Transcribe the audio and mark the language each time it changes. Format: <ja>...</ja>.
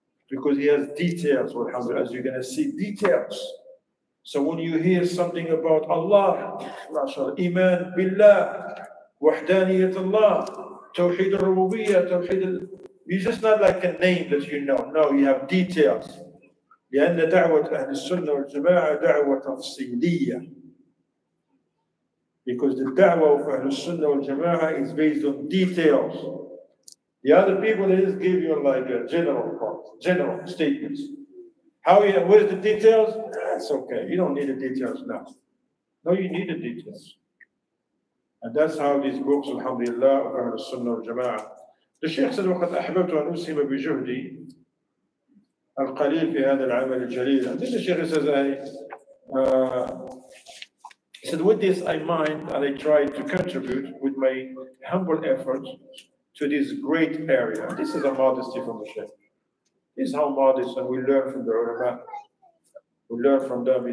<en>Because he has details, alhamdulillah, as you're going to see details. So when you hear something about Allah, mashallah, Iman, Billah, Wahdaniyat Allah, Tawheed al-Rububiyyah, Tawheed al-. It's just not like a name that you know. No, you have details.</en> <ar>لأن دعوة أهل السنة والجماعة دعوة تفصيلية.</ar> <en>Because the دعوة of</en> <ar>أهل السنة والجماعة</ar> <en>is based on details. The other people, they just give you like a general part, general statements. How you, what is the details? That's okay, you don't need the details now. No, you need the details. And that's how these books, alhamdulillah, of</en> <ar>أهل السنة والجماعة.</ar> <en>The Sheikh said,</en> <ar>وقد أحببت أن أسهم بجهدي القليل في هذا العمل الجليل.</ar> <en>And then the Sheikh says, I said, with this I mind, and I tried to contribute with my humble effort to this great area. This is a modesty from the Sheikh. This is how modest, and we learn from the ulama. We learn from them.</en>